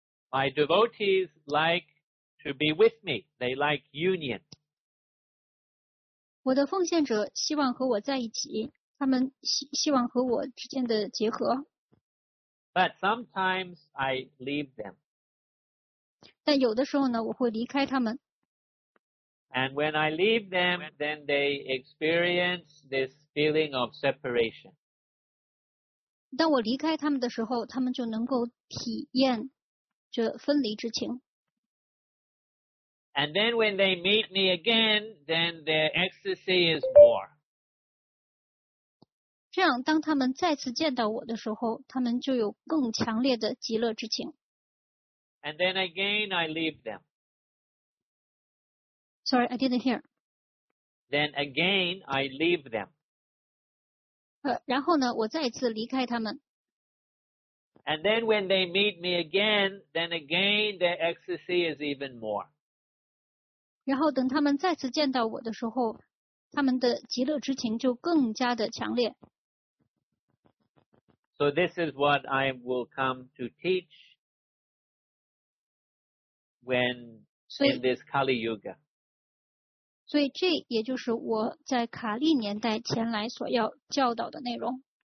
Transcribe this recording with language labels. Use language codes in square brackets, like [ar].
[en] My devotees like to be with me. They like union. [zh] 我的奉献者希望和我在一起，他们希望和我之间的结合。 [en] But sometimes I leave them. [zh] 但有的时候呢，我会离开他们。 [en] And when I leave them, then they experience this feeling of separation. [zh] 当我离开他们的时候，他们就能够体验这分离之情。 [en] And then when they meet me again, then their ecstasy is more. [zh] 这样当他们再次见到我的时候，他们就有更强烈的极乐之情。 [en] And then again I leave them. Sorry, I didn't hear. Then again I leave them. [zh] 然后呢，我再一次离开他们。 [en] And then when they meet me again, then again their ecstasy is even more. [zh] 然后等他们再次见到我的时候，他们的极乐之情就更加的强烈。 [en] So this is what I will come to teach when in this Kali Yuga. [zh] 所以这也就是我在卡利年代前来所要教导的内容。